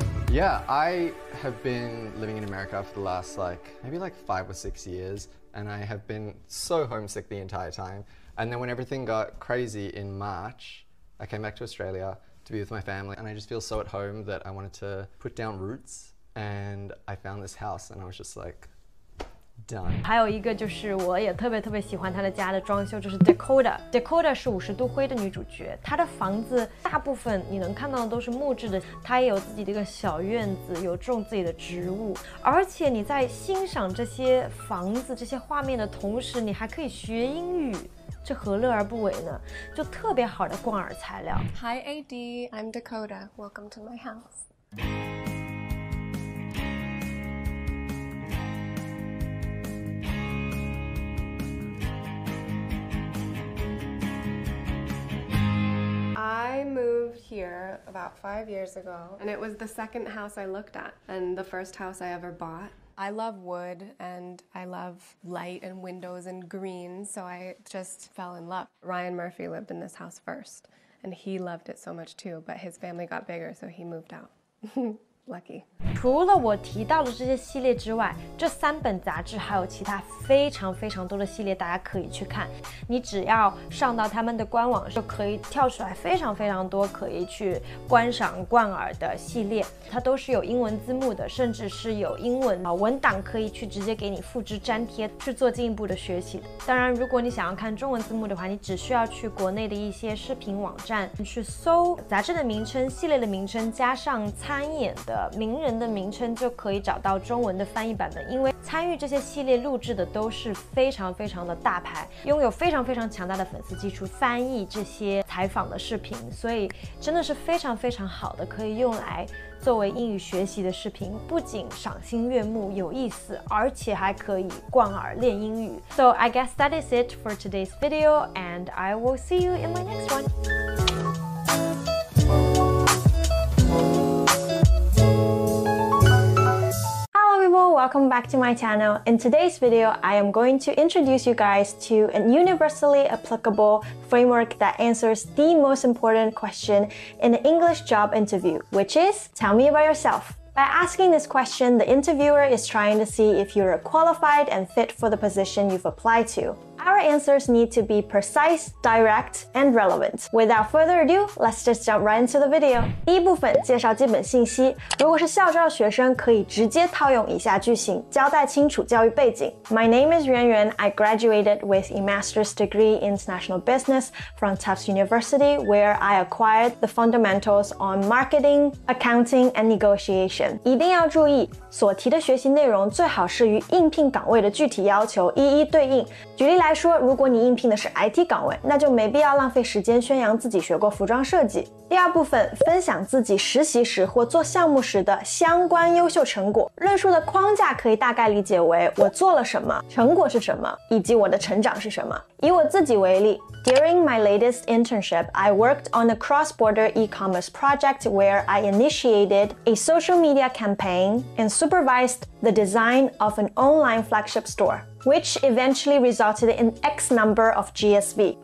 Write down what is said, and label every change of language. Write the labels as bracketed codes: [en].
[en] Yeah, I have been living in America for the last maybe 5 or 6 years, and I have been so homesick the entire time. And then when everything got crazy in March, I came back to Australia to be with my family, and I just feel so at home that I wanted to put down roots, and I found this house and I was just like,Done. [zh] 还有一个就是我也特别特别喜欢他的家的装修，就是 Dakota。 Dakota 是五十度灰的女主角，她的房子大部分你能看到的都是木质的，她也有自己的一个小院子，有种自己的植物。而且你在欣赏这些房子这些画面的同时，你还可以学英语，这何乐而不为呢？就特别好的逛耳材料。 Hi AD, I'm Dakota, welcome to my house. I moved here about 5 years ago, and it was the second house I looked at and the first house I ever bought. I love wood and I love light and windows and green, so I just fell in love. Ryan Murphy lived in this house first and he loved it so much too, but his family got bigger so he moved out. Lucky. 除了我提到的这些系列之外，这三本杂志还有其他非常非常多的系列，大家可以去看。你只要上到他们的官网，就可以跳出来非常非常多可以去观赏贯耳的系列，它都是有英文字幕的，甚至是有英文文档可以去直接给你复制粘贴去做进一步的学习的。当然如果你想要看中文字幕的话，你只需要去国内的一些视频网站去搜杂志的名称、系列的名称加上参演的名人的名称，就可以找到中文的翻译版本。因为参与这些系列录制的都是非常非常的大牌，拥有非常非常强大的粉丝基础，翻译这些采访的视频，所以真的是非常非常好的，可以用来作为英语学习的视频，不仅赏心悦目有意思，而且还可以贯耳练英语。 [en] So I guess that is it for today's video, and I will see you in my next one. Hello, everyone. Welcome welcome back to my channel. In today's video, I am going to introduce you guys to a universally applicable framework that answers the most important question in an English job interview, which is, tell me about yourself. By asking this question, the interviewer is trying to see if you're qualified and fit for the position you've applied to. Our answers need to be precise, direct, and relevant. Without further ado, let's just jump right into the video. [zh] 第一部分介绍基本信息。如果是校招的学生，可以直接套用以下句型，交代清楚教育背景。 [en] My name is Yuan Yuan. I graduated with a master's degree in international business from Tufts University, where I acquired the fundamentals on marketing, accounting, and negotiation. [zh] 一定要注意，所提的学习内容最好是与应聘岗位的具体要求一一对应。举例来说，如果你应聘的是 IT 岗位，那就没必要浪费时间宣扬自己学过服装设计。第二部分，分享自己实习时或做项目时的相关优秀成果。论述的框架可以大概理解为我做了什么，成果是什么，以及我的成长是什么。以我自己为例， [en] During my latest internship, I worked on a cross-border e-commerce project where I initiated a social media campaign and supervised the design of an online flagship store. Which eventually resulted in X number of GSV.